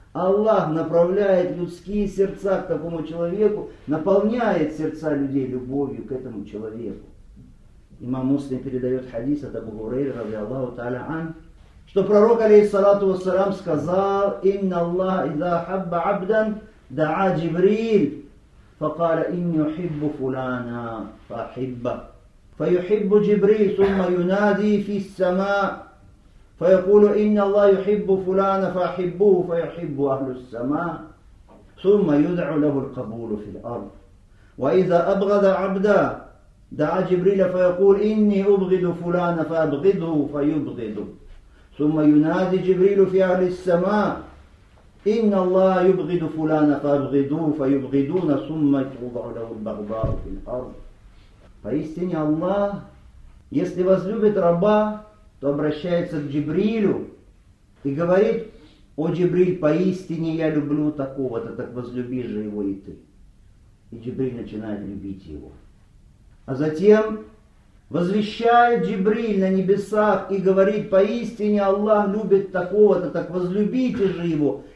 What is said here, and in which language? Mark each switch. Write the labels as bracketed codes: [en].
[ru] Аллах направляет людские сердца к такому человеку, наполняет сердца людей любовью к этому человеку. Имам Муслим передает хадис от Абу Хурейры, ради Аллаху Та'аля ан, что пророк, алейхиссалату вассалам, сказал, «Инна Аллах иза хабба абдан, даа Джибриль, факаля инни ухиббу фуляна, фахибба». [ar] فيحب جبريل ثم ينادي في السماء فيقول إن الله يحب فلان فأحبه فيحب أهل السماء ثم يدعو له القبول في الأرض وإذا أبغض عبدا دعا جبريل فيقول إني أبغض فلان فأبغضه فيبغضه ثم ينادي جبريل في أهل السماء إن الله يبغض فلان فأبغضوه فيبغضون ثم يوضع له البغضاء في الأرض. [ru] Поистине Аллах, если возлюбит раба, то обращается к Джибрилю и говорит, «О, Джибриль, поистине я люблю такого-то, так возлюби же его и ты». И Джибриль начинает любить его. А затем возвещает Джибриль на небесах и говорит, «Поистине Аллах любит такого-то, так возлюбите же его».